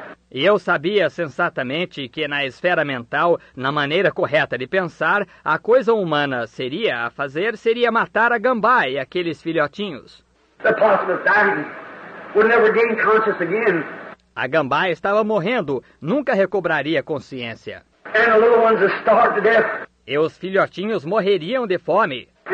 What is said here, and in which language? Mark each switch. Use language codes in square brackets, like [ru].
[pt] E eu sabia sensatamente que na esfera mental, na maneira correta de pensar, a coisa humana seria a fazer, seria matar a gambá e aqueles filhotinhos. [en] The possum is dying. We'll never gain consciousness again. [pt] A gambá estava morrendo, nunca recobraria a consciência. [en] And the little ones are starved to death. [pt] E os filhotinhos morreriam de fome.